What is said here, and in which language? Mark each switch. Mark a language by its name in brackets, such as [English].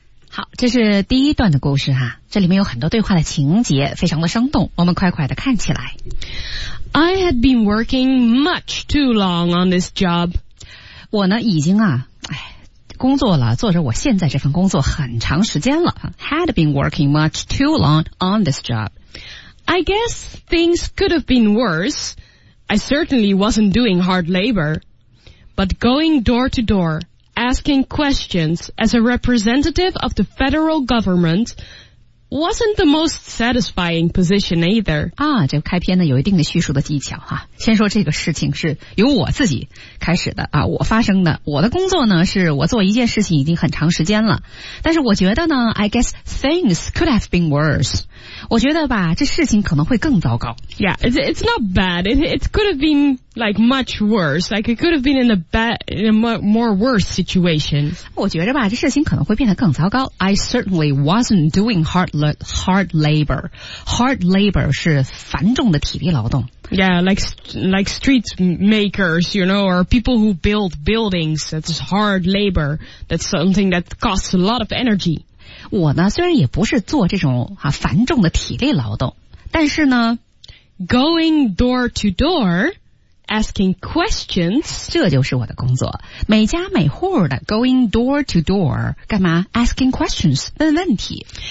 [Chinese] 好，这是第一段的故事哈，这里面有很多对话的情节，非常的生动，我们快快的看起来。 [English] I had been working much too long on this job. [Chinese] 我呢已经啊，哎，工作了，做着我现在这份工作很长时间了。 [English] Had been working much too long on this job. I guess things could have been worse. I certainly wasn't doing hard labor, but going door to door, asking questions as a representative of the federal government wasn't the most satisfying position either. [Chinese] 啊，这个开篇呢有一定的叙述的技巧哈、啊。先说这个事情是由我自己开始的啊，我发生的。我的工作呢是我做一件事情已经很长时间了，但是我觉得呢 ， [English] I guess things could have been worse。 [Chinese] 我觉得吧，这事情可能会更糟糕。 [English] Yeah, it's not bad. It could have been like much worse. Like it could have been in a more worse situation. 我觉得吧，这事情可能会变得更糟糕。 I certainly wasn't doing hard labor. [Chinese] Hard labor 是繁重的体力劳动。 [English] Yeah, like street makers, you know, or people who build buildings. That's hard labor. That's something that costs a lot of energy. [Chinese] 我呢虽然也不是做这种啊繁重的体力劳动，但是呢 [English] ,going door to door, asking questions, [Chinese] 这就是我的工作。每家每户的 [English] going door to door, [Chinese] 干嘛 ? [English] asking questions, [Chinese] 问问题。